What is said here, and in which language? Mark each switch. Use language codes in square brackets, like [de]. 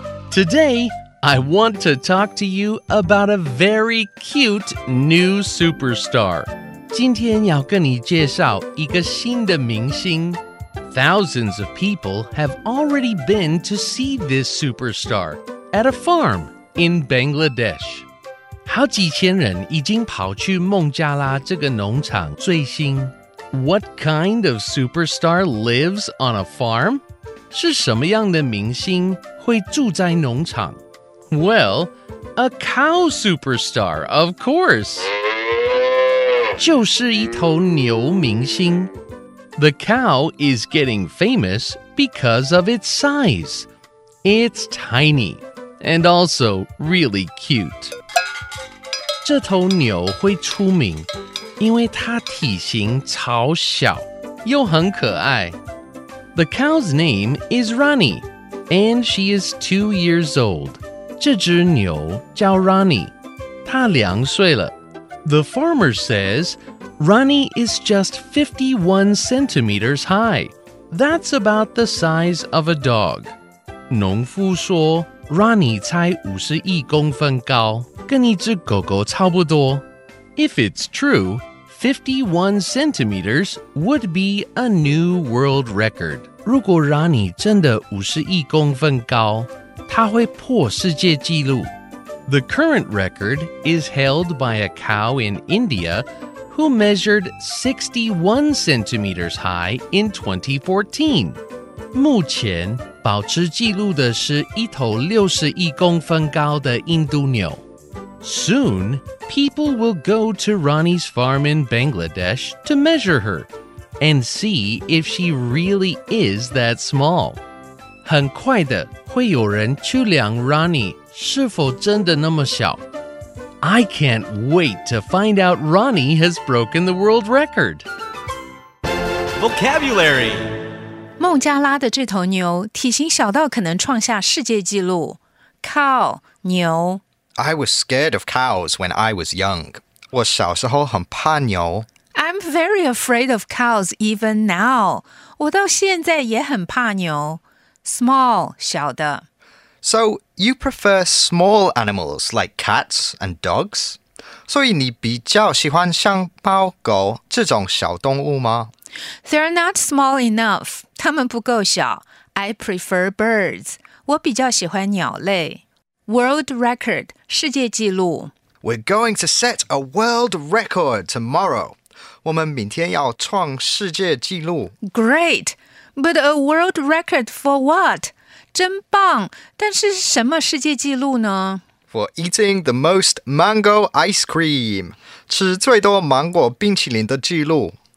[en] Today, I want to talk to you about a very cute new superstar. [zh] 今天要跟你介绍一个新的明星。 [en] Thousands of people have already been to see this superstar at a farm in Bangladesh. [zh] 好几千人已经跑去孟加拉这个农场追星。 [en] What kind of superstar lives on a farm? [zh] 是什么样的明星会住在农场？ [en] Well, a cow superstar, of course. [zh] 就是一头牛明星。 [en] The cow is getting famous because of its size. It's tiny and also really cute. [zh] 这头牛会出名，因为它体型超小，又很可爱。 [en] The cow's name is Rani, and she is 2 years old. [zh] 这只牛叫 Rani, 她两岁了。 [en] The farmer says, Rani is just 51 centimeters high. That's about the size of a dog. [zh] 农夫说 ,Rani 才51公分高,跟一只狗狗差不多。 [en] If it's true, 51 centimeters would be a new world record. [zh] 如果 Rani 真的51公分高,它会破世界纪录。 [en] The current record is held by a cow in India who measured 61 centimeters high in 2014. [zh] 目前保持纪录的是一头61公分高的印度牛。 [en] Soon, people will go to Rani's farm in Bangladesh to measure her and see if she really is that small. [zh] 很快的会有人去量 Rani 是否真的那么小。 [en] I can't wait to find out Rani has broken the world record. Vocabulary [zh] 孟加拉的这头牛体型小到可能创下世界纪录。 [en] Cow, 牛。 I was scared of cows when I was young. [zh] 我小时候很怕牛。 [en] I'm very afraid of cows even now. [zh] 我到现在也很怕牛。 [en] Small, 小的。 So, you prefer small animals like cats and dogs? [zh] 所以你比较喜欢像猫狗这种小动物吗? [en] They're not small enough. [zh] 它们不够小。 [en] I prefer birds. [zh] 我比较喜欢鸟类。World record, 世界纪录。 [en] We're going to set a world record tomorrow. [zh] 我们明天要创世界纪录。 [en] Great! But a world record for what? [zh] 真棒！但是什么世界纪录呢? [en] For eating the most mango ice cream. [zh] 吃最多芒果冰淇淋的纪录。